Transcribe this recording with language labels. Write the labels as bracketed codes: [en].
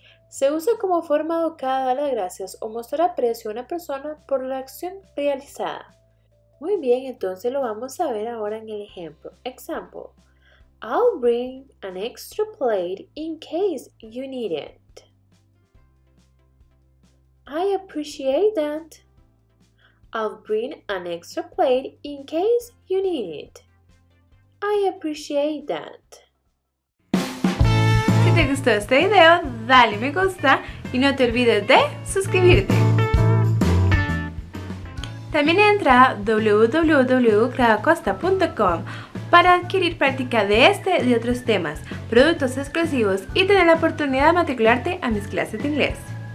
[es] Se usa como forma educada de dar las gracias o mostrar aprecio a una persona por la acción realizada. Muy bien, entonces lo vamos a ver ahora en el ejemplo. [en] Example. I'll bring an extra plate in case you need it. I appreciate that. I'll bring an extra plate in case you need it. I appreciate that. [es] Si te gustó este video, dale me gusta y no te olvides de suscribirte. También entra a www.gradacosta.com para adquirir práctica de este y de otros temas, productos exclusivos y tener la oportunidad de matricularte a mis clases de inglés.